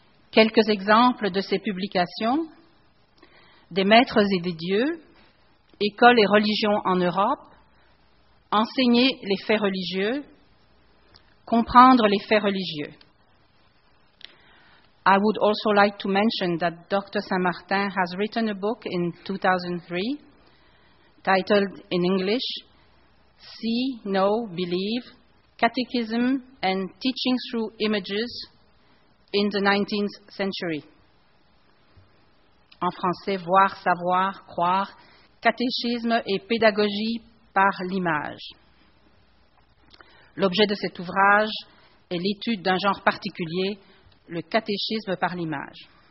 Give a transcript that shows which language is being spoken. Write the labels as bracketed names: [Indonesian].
[French] Quelques exemples de ces publications: Des maîtres et des dieux, École et religion en Europe, Enseigner les faits religieux, comprendre les faits religieux. [English] I would also like to mention that Dr. Saint-Martin has written a book in 2003 titled in English, See, Know, Believe, Catechism and Teaching Through Images in the 19th Century. [French] En français, voir, savoir, croire, catéchisme et pédagogie par l'image. L'objet de cet ouvrage est l'étude d'un genre particulier, le catéchisme par l'image.